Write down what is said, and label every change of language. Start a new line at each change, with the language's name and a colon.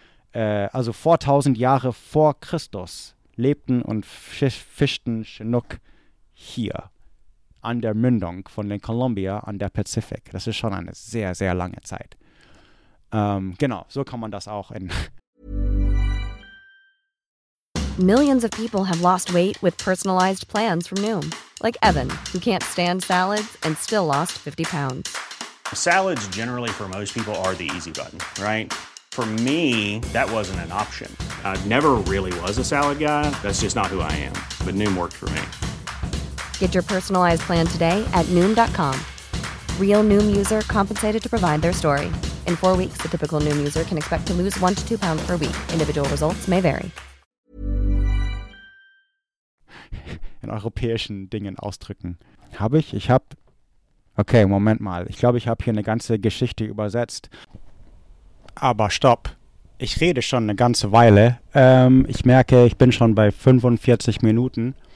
German: Also vor 1000 Jahre vor Christus lebten und fischten Chinook hier an der Mündung von den Columbia an der Pazifik. Das ist schon eine sehr, sehr lange Zeit. Genau, so kann man das auch in.
English: Millions of people have lost weight with personalized plans from Noom. Like Evan, who can't stand salads and still lost 50 pounds. Salads generally for most people are the easy button, right? For me, that wasn't an option. I never really was a salad guy. That's just not who I am. But Noom worked for me. Get your personalized plan today at Noom.com. Real Noom user compensated to provide their story. In 4 weeks, the typical Noom user can expect to lose 1 to 2 pounds per week. Individual results may vary.
German: In europäischen Dingen ausdrücken. Habe ich? Ich habe... Okay, Moment mal. Ich glaube, ich habe hier eine ganze Geschichte übersetzt. Aber stopp. Ich rede schon eine ganze Weile. Ich merke, ich bin schon bei 45 Minuten.